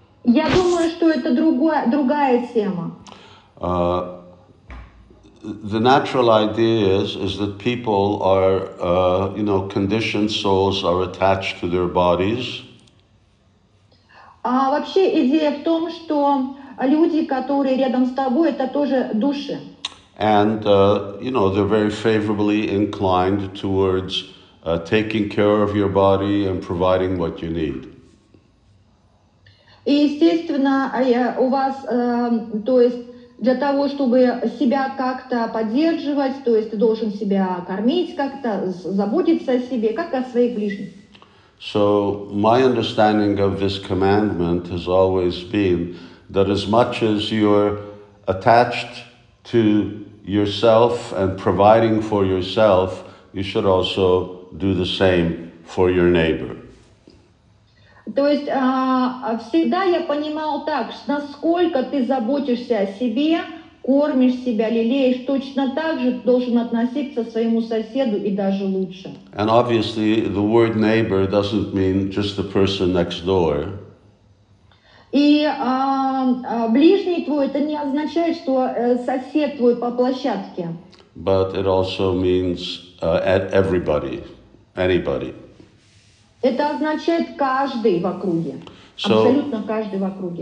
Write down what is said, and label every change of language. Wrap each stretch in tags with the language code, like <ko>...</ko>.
<ru>Я думаю, что это другая тема.</ru> <en>The natural idea is that people are, you know, conditioned souls are attached to their bodies.</en> <ru>Вообще идея в том, что люди, которые рядом с тобой, это тоже души.</ru> <en>And, you know, they're very favorably inclined towards taking care of your body and providing what you need.</en> <ru>И естественно, у вас, то есть, для того, чтобы себя как-то поддерживать, то есть ты должен себя кормить как-то, заботиться о себе, как о своих ближних.</ru> <en>So, my understanding of this commandment has always been that as much as you're attached to yourself and providing for yourself, you should also do the same for your neighbor.</en> <ru>То есть всегда я понимал так, что насколько ты заботишься о себе, кормишь себя, лелеешь, точно так же должен относиться к своему соседу и даже лучше.</ru> <en>And obviously the word neighbor doesn't mean just the person next door.</en> <ru>И ближний твой, это не означает, что сосед твой по площадке.</ru> <en>But it also means everybody, anybody.</en> <ru>Это означает каждый в округе.</ru> <en>So,</en> <ru>абсолютно каждый в округе.</ru>